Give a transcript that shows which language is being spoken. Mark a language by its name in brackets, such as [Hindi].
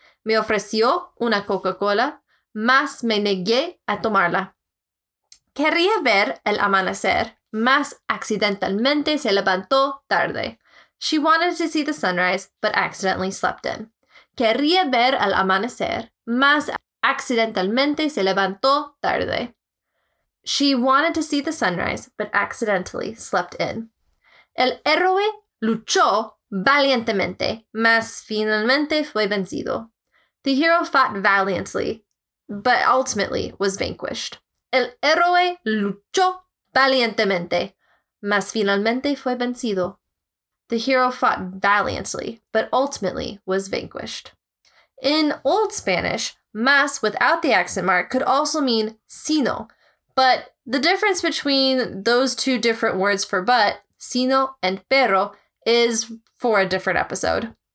[Spanish] Me ofreció una Coca-Cola, mas me negué a tomarla. Quería ver el amanecer, mas accidentalmente se levantó tarde. [English] She wanted to see the sunrise, but accidentally slept in. [Spanish] Quería ver el amanecer, mas accidentalmente se levantó tarde. [English] She wanted to see the sunrise, but accidentally slept in. [Spanish] El héroe luchó valientemente, mas finalmente fue vencido. [English] The hero fought valiantly, but ultimately was vanquished. [Spanish] El héroe luchó valientemente, mas finalmente fue vencido. [English] The hero fought valiantly, but ultimately was vanquished. In Old Spanish, mas without the accent mark could also mean sino, but the difference between those two different words for but, sino and pero, is for a different episode.